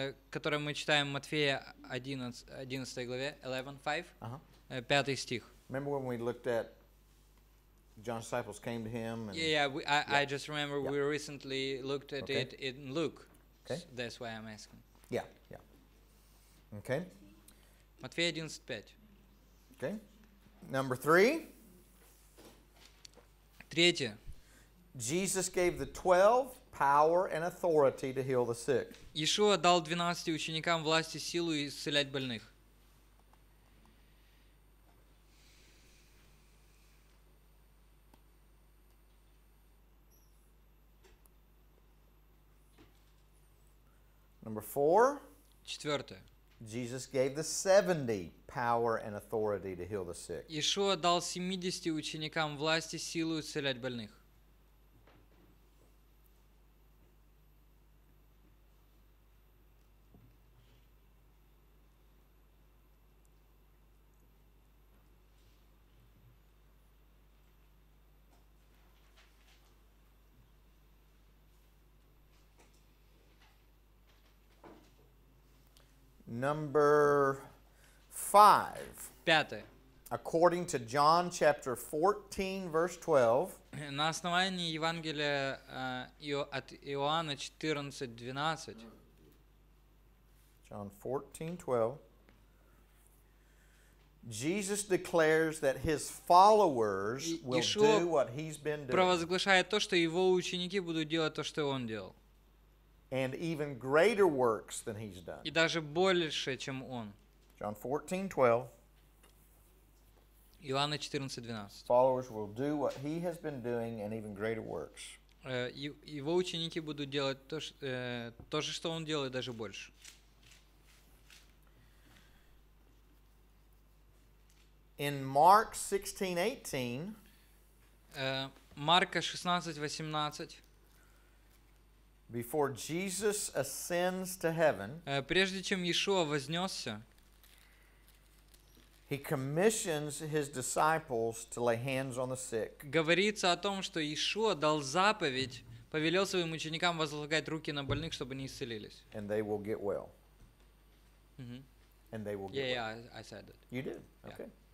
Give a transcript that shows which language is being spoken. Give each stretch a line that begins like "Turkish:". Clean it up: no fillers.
Russian: Который мы читаем в Матфея 11 главе, 11:5, 5 стих.
English: Remember when we looked at John's disciples came to him. And I just remember we recently looked at it in Luke. Okay. So that's why I'm asking. Yeah. Okay. Matthew 11:5. Okay. Number three.
Russian: Третье.
English: Jesus gave the 12 power and authority to heal the sick.
Russian: Иешуа дал 12 ученикам власть и силу исцелять больных.
English: Number four.
Russian: Четвертое.
English: Jesus gave the 70 power and authority to heal the sick.
Russian: Иешуа дал 70 ученикам власть и силу исцелять больных.
English: Number five.
Russian: Пятое.
English: According to John chapter 14, verse 12.
Russian: На основании Евангелия от Иоанна 14:12.
English: John 14:12. Jesus declares that his followers will do what he's been doing.
Russian: Провозглашает то, что его ученики будут делать то, что он делал.
English: And even greater works than he's done.
Russian: И даже больше, чем он.
English: John 14:12.
Russian: Иоанна 14:12.
English: Followers will do what he has been doing and even greater works.
Russian: Его ученики будут делать то же, что он делает, даже больше.
English: In Mark 16:18.
Russian: Марка 16:18.
English: Before Jesus ascends to heaven,
Russian: прежде чем Иешуа вознесся,
English: he commissions his disciples to lay hands on the sick.
Russian: Говорится о том, что Иешуа дал заповедь, повелел своим ученикам возлагать руки на больных, чтобы они исцелились.
English: And they will get well. And they will get well. Yeah, I said that. You did? Yeah. Okay.